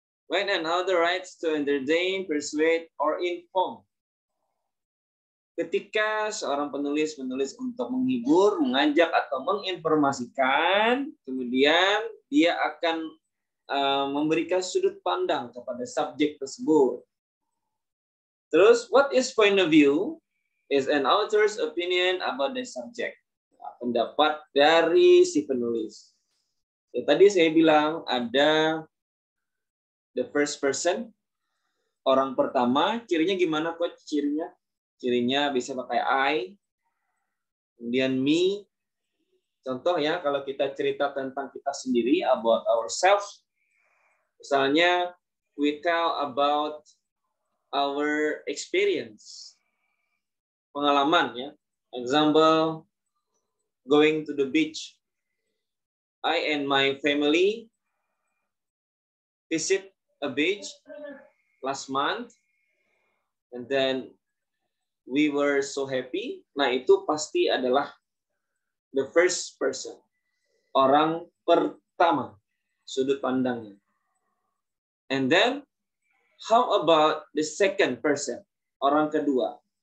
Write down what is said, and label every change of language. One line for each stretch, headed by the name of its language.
English: When an author writes to entertain, persuade, or inform?
Indonesian: Ketika seorang penulis menulis untuk menghibur, mengajak, atau menginformasikan, kemudian dia akan memberikan sudut pandang kepada subjek tersebut.
English: Terus, what is point of view? Is an author's opinion about the subject.
Indonesian: Pendapat dari si penulis. Ya, tadi saya bilang ada
English: the first person,
Indonesian: orang pertama, cirinya gimana kok cirinya? Cirinya bisa pakai I, kemudian me. Contoh ya, kalau kita cerita tentang kita sendiri,
English: about ourselves. Misalnya, we tell about our experience.
Indonesian: Pengalaman ya.
English: Example, going to the beach. I and my family visit a beach last month. And then we were so happy.
Indonesian: Nah, itu pasti adalah
English: the first person.
Indonesian: Orang pertama, sudut pandangnya.
English: And then, how about the second person?
Indonesian: Orang kedua.